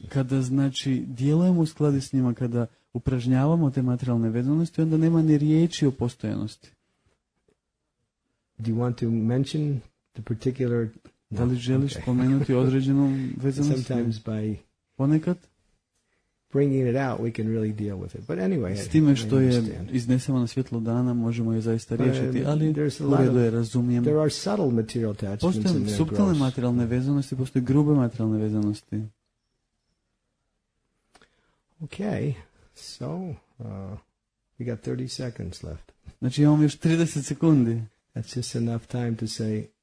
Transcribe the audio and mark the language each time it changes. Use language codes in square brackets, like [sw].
[hr] Kada znači djelujemo u skladu s njima, kada upražnjavamo te materijalne vezanosti, onda nema ni riječi o postojanosti. [en] Do you want to mention the particular... [hr] Da li želiš spomenuti određenu vezanost? [en] Sometimes by [hr] ponekad [en] bringing it out, we can really deal with it. But anyway, [hr] s time što je iznesemo na svjetlo dana, možemo je zaista riješiti. Ali uredu je, razumijem. [en] There are subtle material attachments. [hr] Postoje suptilne materijalne vezanosti, postoje grube materijalne vezanosti. [en] Okay, so we got 30 seconds left. [hr] Znači imamo još 30 sekundi. [en] That's just enough time to say.